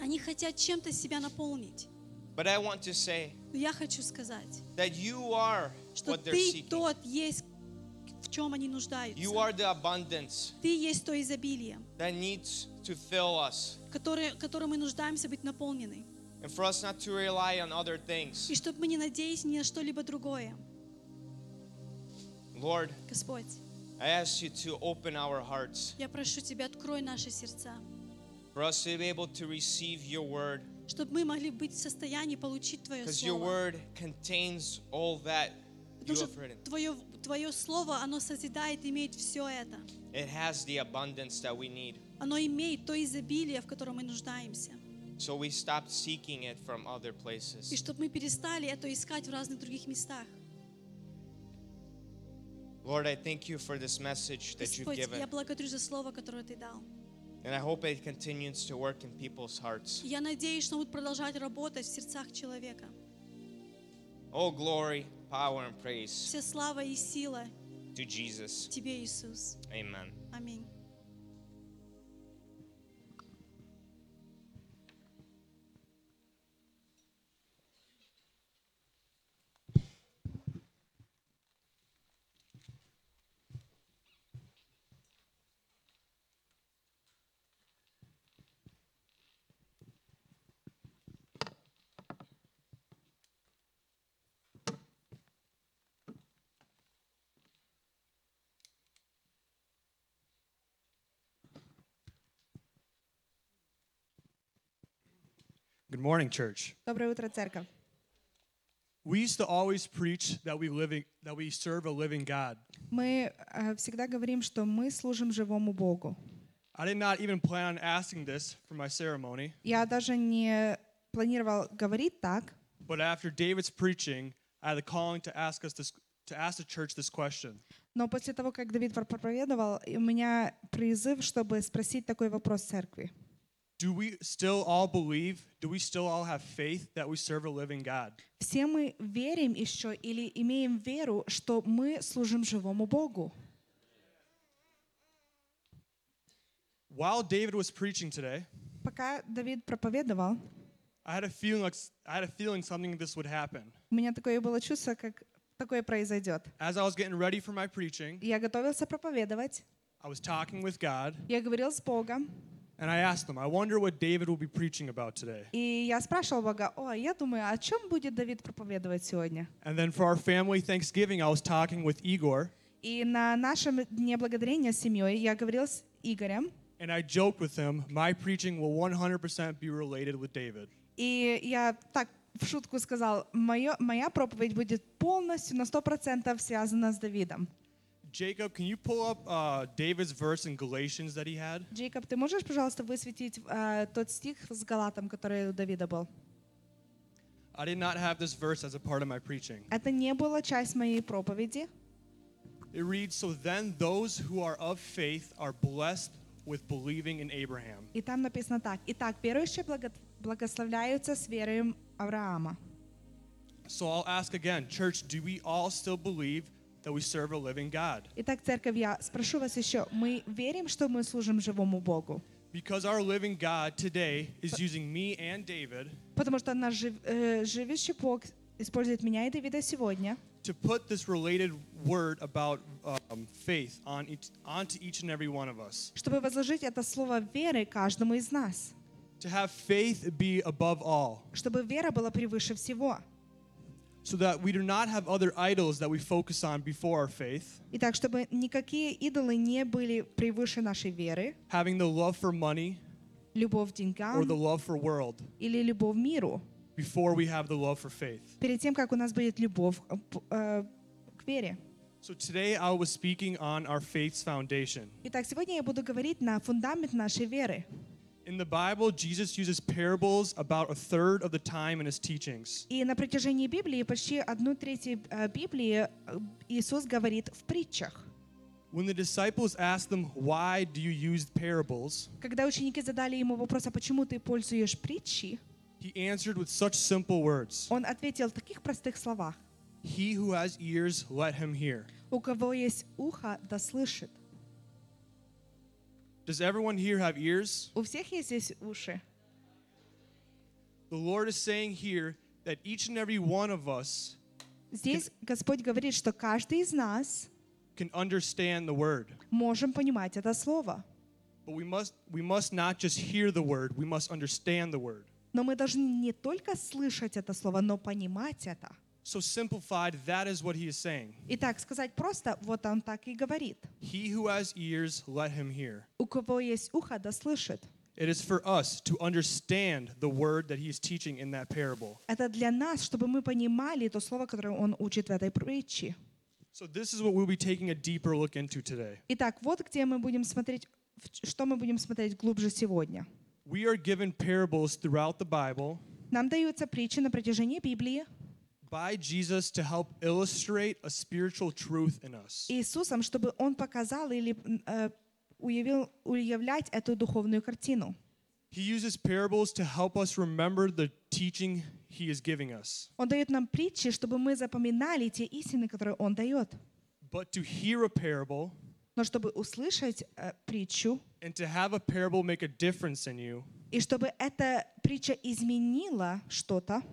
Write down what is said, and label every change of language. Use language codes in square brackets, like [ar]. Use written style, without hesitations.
[ru] Они хотят чем-то себя наполнить. [en] But I want to say, [ru] я хочу сказать, [en] that you are [ru] что [en] what they're seeking. [ru] Тот есть, в чем они нуждаются. [en] You are the abundance. [ru] Ты есть то изобилие. [en] That needs to fill us. [ru] Которым мы нуждаемся быть наполнены. [en] And for us not to rely on other things. [ru] И чтобы мы не надеялись ни на что-либо другое. [en] Lord, [ru] Господь, [en] I ask you to open our hearts. [ru] Я прошу тебя, открой наши сердца. [en] For us to be able to receive your word. [ru] Чтобы мы могли быть в состоянии получить твое слово. [en] Because your word contains all that you have written. [ru] Твое слово, оно созидает, имеет все это. [en] It has the abundance that we need. [ru] Оно имеет то изобилие, в котором мы нуждаемся. [en] So we stopped seeking it from other places. [ru] И чтобы мы перестали это искать в разных других местах. [en] Lord, I thank you for this message that you've given. [ru] Я благодарю за слово, которое ты дал. [en] And I hope it continues to work in people's hearts. [ru] Я надеюсь, что будет продолжать работать в сердцах человека. [en] Oh, glory, power, and praise. [ru] Вся слава и сила. [en] To Jesus. [ru] Тебе, Иисус. [en] Amen. [ru] Аминь. [en] Good morning, church. [ru] Доброе утро, церковь. [en] We used to always preach that we serve a living God. [ru] Мы всегда говорим, что мы служим живому Богу. [en] I did not even plan on asking this for my ceremony. [ru] Я даже не планировал говорить так. [en] But after David's preaching, I had a calling to ask us this, to ask the church this question. [ru] Но после того, как Давид проповедовал, у меня призыв, чтобы спросить такой вопрос церкви. [en] Do we still all believe? Do we still all have faith that we serve a living God? [ru] Все мы верим еще или имеем веру, что мы служим живому Богу? [en] While David was preaching today, [ru] пока Давид проповедовал, [en] I had a feeling something this would happen. [ru] У меня такое было чувство, как такое произойдет. [en] As I was getting ready for my preaching, [ru] я готовился проповедовать. [en] I was talking with God. [ru] Я говорил с Богом. [en] And I asked them, I wonder what David will be preaching about today. [ru] И я спрашивал Бога, о, я думаю, о чем будет Давид проповедовать сегодня? [en] And then for our family Thanksgiving, I was talking with Igor. [ru] И на нашем дне благодарения с семьей я говорил с Игорем. [en] And I joked with him, my preaching will 100% be related with David. [ru] И я так в шутку сказал, моя проповедь будет полностью на 100% связана с Давидом. [en] Jacob, can you pull up David's verse in Galatians that he had? [ru] Jacob, ты можешь, пожалуйста, высветить тот стих с Галатом, который у Давида был? [en] I did not have this verse as a part of my preaching. [ru] Это не было часть моей проповеди. [en] It reads, so then those who are of faith are blessed with believing in Abraham. [ru] И там написано так. Итак, верующие благословляются с верою Авраама. [en] So I'll ask again, church, do we all still believe that we serve a living God? [ru] Итак, церковь, я спрошу вас еще. Мы верим, что мы служим живому Богу? [en] Because our living God today is using me and David. [ru] Потому что наш живущий Бог использует меня и Давида сегодня. [en] To put this related word about faith onto each and every one of us. [ru] Чтобы возложить это слово веры каждому из нас. [en] To have faith be above all. [ru] Чтобы вера была превыше всего. [en] So that we do not have other idols that we focus on before our faith. [ru] Итак, чтобы никакие идолы не были превыше нашей веры. [en] Having the love for money. [ru] Любовь деньгам. [en] Or the love for world. [ru] Или любовь миру. [en] Before we have the love for faith. [ru] Перед тем, как у нас будет любовь к вере. [en] So today I was speaking on our faith's foundation. [ru] Итак, сегодня я буду говорить на фундамент нашей веры. [en] In the Bible, Jesus uses parables about a third of the time in his teachings. [ru] И на протяжении Библии почти одну треть Библии Иисус говорит в притчах. [en] When the disciples asked them, "Why do you use parables?" [ru] Когда ученики задали ему вопрос, а почему ты пользуешь притчи? [en] He answered with such simple words. [ru] Он ответил в таких простых словах. [en] He who has ears, let him hear. [ru] У кого есть ухо, да слышит. [en] Does everyone here have ears? [ru] У всех есть здесь уши. [en] The Lord is saying here that each and every one of us [ru] здесь Господь говорит, что каждый из нас [en] can understand the word. [ru] Можем понимать это слово. [en] But we must not just hear the word, we must understand the word. [ru] Но мы должны не только слышать это слово, но понимать это. [en] So simplified, that is what he is saying. [ru] Итак, сказать просто, вот он так и говорит. [en] He who has ears, let him hear. [ru] У кого есть ухо, да слышит. [en] It is for us to understand the word that he is teaching in that parable. [ru] Это для нас, чтобы мы понимали то слово, которое он учит в этой притче. [en] So this is what we'll be taking a deeper look into today. [ru] Итак, вот где мы будем смотреть, что мы будем смотреть глубже сегодня. [en] We are given parables throughout the Bible. [ru] Нам даются притчи на протяжении Библии. [en] By Jesus to help illustrate a spiritual truth in us. [ru] Иисусом, чтобы он показал или уявлять эту духовную картину. [en] He uses parables to help us remember the teaching he is giving us. [ru] Он дает нам притчи, чтобы мы запоминали те истины, которые он дает. [en] But to hear a parable. [ru] Но чтобы услышать притчу. [en] And to have a parable make a difference in you. [ru] И чтобы эта притча изменила что-то,